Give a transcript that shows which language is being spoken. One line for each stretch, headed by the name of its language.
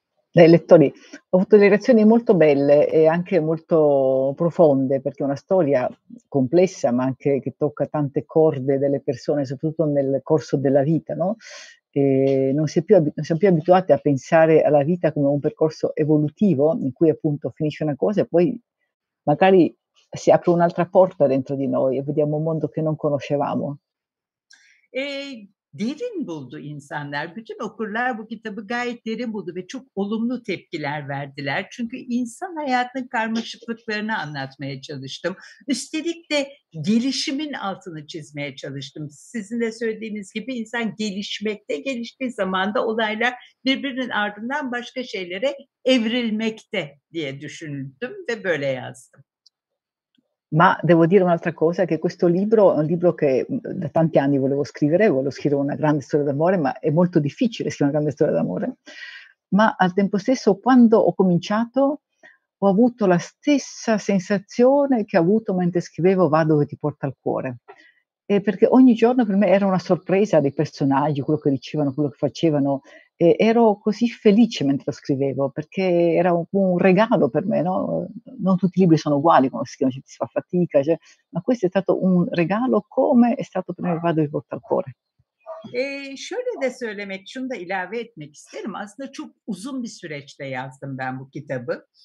Italian: Dai lettori ho avuto delle reazioni molto belle e anche molto profonde, perché è una storia complessa, ma anche che tocca tante corde delle persone, soprattutto nel corso della vita, no? E non siamo più abituati a pensare alla vita come un percorso evolutivo in cui appunto finisce una cosa e poi magari si apre un'altra porta dentro di noi e vediamo un mondo che non conoscevamo.
Turkish: E derin buldu insanlar. Bütün okurlar bu kitabı gayet derin buldu ve çok olumlu tepkiler verdiler. Çünkü insan hayatının karmaşıklıklarını anlatmaya çalıştım. Üstelik de gelişimin altını çizmeye çalıştım. Sizin de söylediğiniz gibi insan gelişmekte, geliştiği zaman da olaylar birbirinin ardından başka şeylere evrilmekte diye düşündüm ve böyle yazdım.
Italian: Ma devo dire un'altra cosa, che questo libro è un libro che da tanti anni volevo scrivere una grande storia d'amore, ma è molto difficile scrivere una grande storia d'amore. Ma al tempo stesso, quando ho cominciato, ho avuto la stessa sensazione che ho avuto mentre scrivevo Va dove ti porta il cuore. E perché ogni giorno per me era una sorpresa dei personaggi, quello che dicevano, quello che facevano. E ero così felice mentre lo scrivevo, perché era un regalo per me, no? Non tutti i libri sono uguali, come si chiama, si fa fatica, cioè, ma questo è stato un regalo, come è stato per me il Vado di Porta al Cuore.
Turkish: E şöyle de söylemek, şunu da ilave etmek isterim. Aslında çok uzun bir süreçte yazdım ben bu kitabı.